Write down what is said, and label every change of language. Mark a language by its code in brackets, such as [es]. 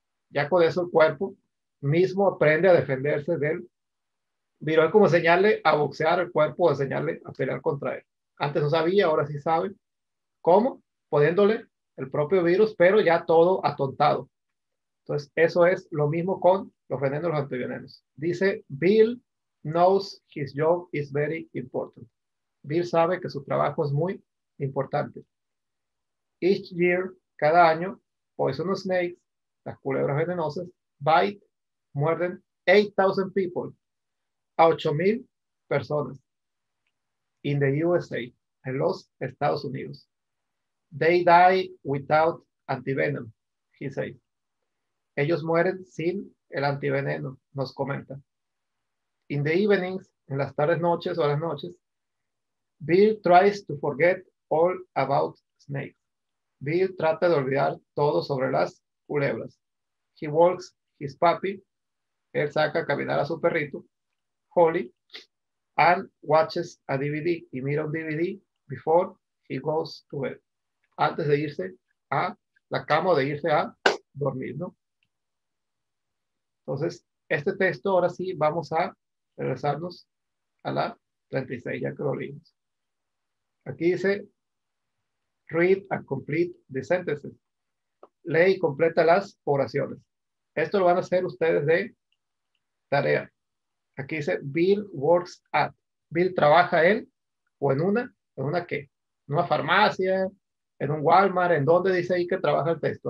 [es] Ya con eso el cuerpo mismo aprende a defenderse del virus. Es como enseñarle a boxear al cuerpo o enseñarle a pelear contra él. antes no sabía, ahora sí sabe. ¿Cómo? Poniéndole el propio virus, pero ya todo atontado. Entonces, eso es lo mismo con los venenos y los antivenenos. [en] Dice, Bill knows his job is very important. [es] Bill sabe que su trabajo es muy importante. [en] Each year, [es] cada año, [en] poisonous snakes, [es] las culebras venenosas, bite, muerden [en] 8,000 people, [es] a 8,000 personas, [en] in the USA, [es] en los Estados Unidos. [en] They die without antivenom, he said. [es] Ellos mueren sin el antiveneno, nos comenta. [en] In the evenings, [es] en las tardes noches o las noches, [en] Bill tries to forget all about snakes. [es] Bill trata de olvidar todo sobre las culebras. [en] He walks his puppy. [es] Él saca a caminar a su perrito, [en] Holly, and watches a DVD. [es] Y mira un DVD [en] before he goes to bed. [es] Antes de irse a la cama o de irse a dormir, ¿no? Entonces, este texto, ahora sí, vamos a regresarnos a la 36, ya que lo leímos. Aquí dice, [en] read and complete the sentences. [es] Lee y completa las oraciones. Esto lo van a hacer ustedes de tarea. Aquí dice, [en] Bill works at. [es] Bill trabaja en, o en una qué? En una farmacia, en un Walmart, ¿en dónde dice ahí que trabaja el texto?